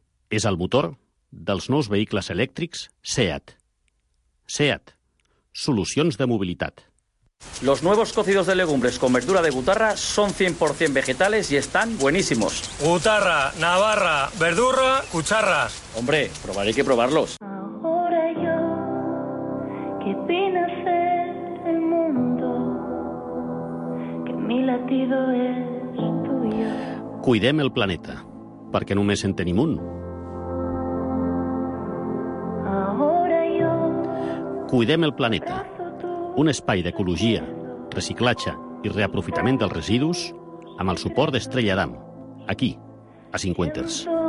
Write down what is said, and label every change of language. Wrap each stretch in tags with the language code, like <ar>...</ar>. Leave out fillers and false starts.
<ca>és el motor dels nous vehicles elèctrics SEAT. SEAT, solucions de mobilitat.</ca> <es>Los nuevos cocidos de legumbres con verdura de Gutarra son 100% vegetales y están buenísimos. Gutarra, Navarra, verdura, cucharra. Hombre, probaré que probarlos. Ahora yo, que vine a ser el mundo, que mi latido es tuyo.</es> <ca>Cuidem el planeta, perquè només en tenim un.</ca> <es>Ahora yo,</es> <ca>cuidem el planeta. Un espai d'ecologia, reciclatge i reaprofitament dels residus amb el suport d'Estrella Damm, aquí, a 50ers.</ca>